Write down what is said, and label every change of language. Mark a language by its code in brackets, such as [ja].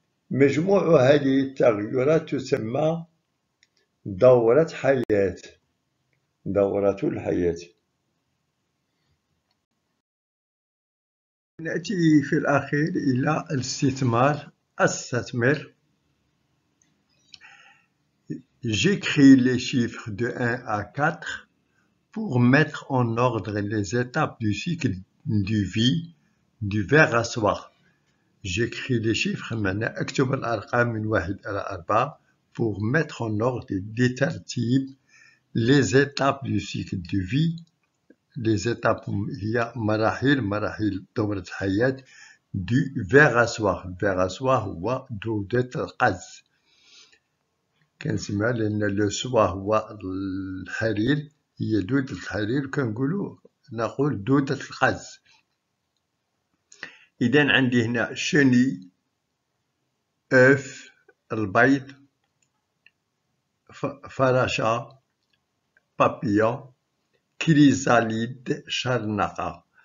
[ar] مجموع هذه التغيرات تسمى دورة حياة، دورة الحياة. نأتي في الأخير إلى الاستثمار. استثمر [fr] j'écris les chiffres de 1 à 4 pour mettre en ordre les étapes du cycle de vie du ver à soie. J'écris les chiffres maintenant [ar] اكتب الأرقام من 1 إلى 4 [fr] pour mettre en ordre et déterminer les étapes du cycle de vie. Les étapes [ar] هي مراحل دورة الحياة [fr] du ver à soie. [ar] Ver à soie هو دودة القز. كنسمع لأن لو سوا هو الحرير، هي دودة الحرير، كنقولو نقول دودة القز. إذا عندي هنا شني، أوف، البيض، فراشة، بابيون، كريزاليد، شرنقة.